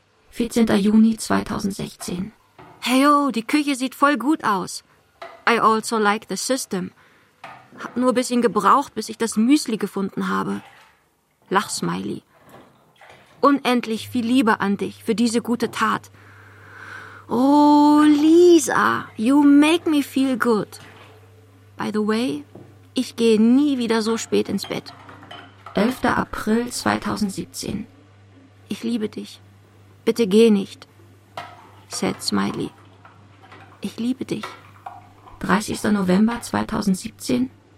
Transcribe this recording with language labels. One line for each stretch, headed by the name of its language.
German: 14. Juni 2016. Heyo, die Küche sieht voll gut aus.
English: I also like the system.
German: Hab nur ein bisschen gebraucht, bis ich das Müsli gefunden habe. Lachsmiley. Unendlich viel Liebe an dich für diese gute Tat.
English: Oh, Lisa, you make me feel good. By the way,
German: ich gehe nie wieder so spät ins Bett. 11. April 2017. Ich liebe dich. Bitte geh nicht. Sad Smiley. Ich liebe dich. 30. November 2017.